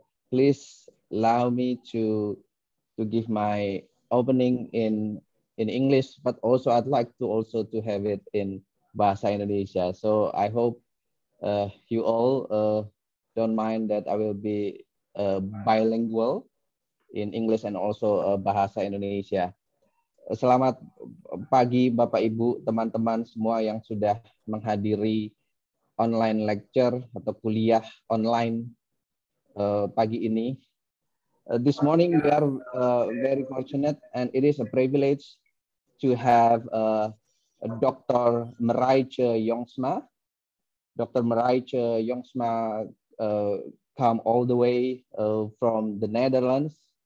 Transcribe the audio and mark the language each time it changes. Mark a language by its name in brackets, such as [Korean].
[English] Please allow me to give my opening in English, but also I'd like to also to have it in Bahasa Indonesia. So I hope you all don't mind that I will be bilingual in English and also Bahasa Indonesia. [Indonesian] Selamat pagi Bapak Ibu, teman-teman semua yang sudah menghadiri [English] online lecture [Indonesian] atau kuliah online pagi ini. [English] This morning we are very fortunate and it is a privilege to have Dr. Marijtje Jongsma. Dr. Marijtje Jongsma come all the way from the Netherlands.